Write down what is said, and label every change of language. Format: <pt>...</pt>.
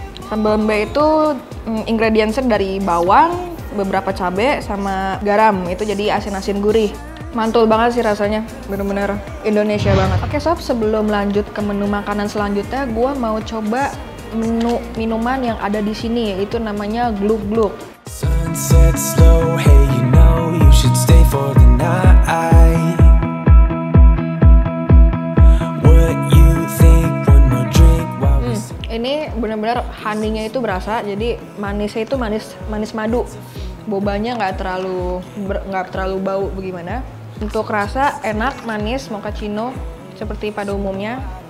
<id>Sambel embe itu ingrediensnya dari bawang, beberapa cabe, sama garam, itu jadi asin-asin gurih. Mantul banget sih rasanya, benar-benar Indonesia banget. Oke sob, sebelum lanjut ke menu makanan selanjutnya, gue mau coba menu minuman yang ada di sini, yaitu namanya gluk-gluk.</id> <en>Sunset slow, hey you know you should stay for the night. What you think one more drink while we're...</en> <id>ini benar-benar honey-nya itu berasa, jadi manisnya itu manis madu. Bobanya nggak terlalu bau bagaimana. Untuk rasa enak, manis, mochaccino seperti pada umumnya.</id>